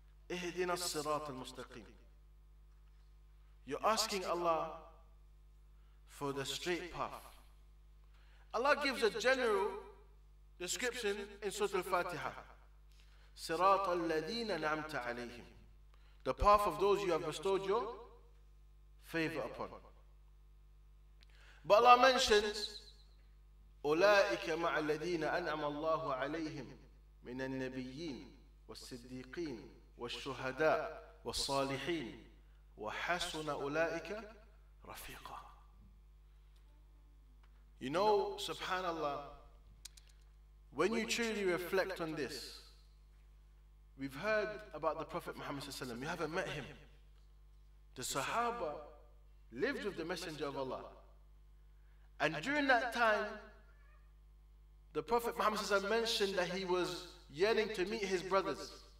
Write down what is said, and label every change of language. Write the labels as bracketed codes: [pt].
[ar] Ihdina as-sirat al-mustaqim. [en] You're asking Allah for the straight path. Allah gives a general description in Surah Al-Fatiha. [ar] Sirat al-ladina na'amta alayhim. [en] The path of those you have bestowed your favor upon. But Allah mentions, [ar] أُولَٰئِكَ مَعَ الَّذِينَ أَنْعَمَ اللَّهُ عَلَيْهِمْ مِنَ النَّبِيِّينَ وَالصِّدِّيقِينَ وَالشُّهَدَاءِ وَالصَّالِحِينَ وَحَسُنَ أُولَٰئِكَ رَفِيقًا. [en] You know, subhanAllah, when you truly reflect on this, we've heard about the Prophet Muhammad, we haven't met him. The Sahaba lived with the Messenger of Allah. And during that time, the Prophet Muhammad mentioned that he was yearning to meet his brothers.